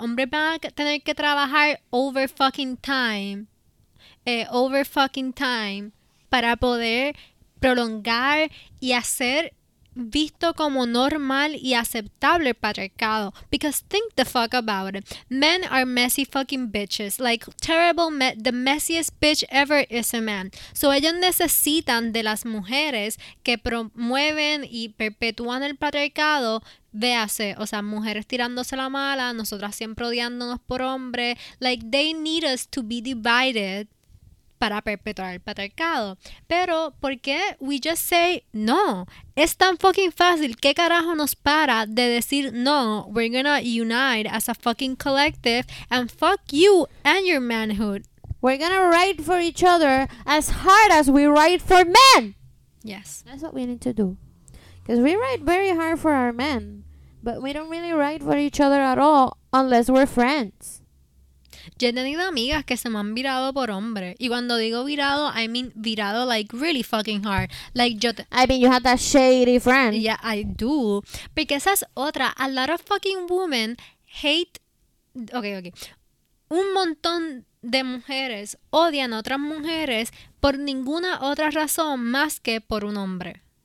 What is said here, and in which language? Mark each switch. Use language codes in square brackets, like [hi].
[es] Los hombres van a tener que trabajar [en] over fucking time [es] para poder prolongar y hacer visto como normal y aceptable el patriarcado. [en] Because think the fuck about it. Men are messy fucking bitches. Like, terrible, the messiest bitch ever is a man. [es] So, ellos necesitan de las mujeres que promueven y perpetúan el patriarcado. Véase, o sea, mujeres tirándose la mala, nosotras siempre odiándonos por hombres. [en] Like, they need us to be divided [es] para perpetuar el patriarcado. Pero, ¿por qué [en] we just say no? [es] Es tan fucking fácil. ¿Qué carajo nos para de decir no? [en] We're gonna unite as a fucking collective and fuck you and your manhood. We're gonna write for each other as hard as we write for men. Yes. That's what we need to do. Because we write very hard for our men, but we don't really write for each other at all unless we're friends. [es] Yo he tenido amigas que se me han virado por hombre. Y cuando digo virado, [en] I mean virado like really fucking hard. Like you had that shady friend. Yeah, I do. [es] Porque esa es otra. [en] A lot of fucking women hate... Okay. [es] Un montón de mujeres odian a otras mujeres por ninguna otra razón más que por un hombre.